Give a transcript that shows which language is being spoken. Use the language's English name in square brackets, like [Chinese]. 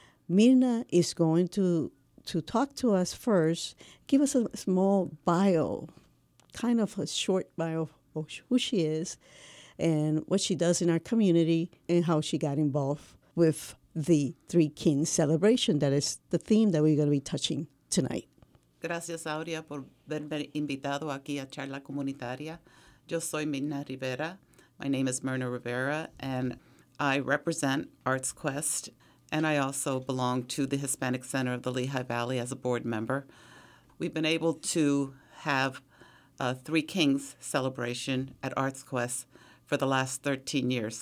[English] Mirna is going to talk to us first. Give us a small bio, kind of a short bio of who she is and what she does in our community and how she got involved with the Three Kings celebration. That is the theme that we're going to be touching tonight. [Spanish] Gracias, Aurea, por haberme invitado aquí a Charla Comunitaria. Yo soy Mirna Rivera. [English] My name is Mirna Rivera, and I represent Arts Quest, and I also belong to the Hispanic Center of the Lehigh Valley as a board member. We've been able to have a Three Kings celebration at Arts Quest for the last 13 years.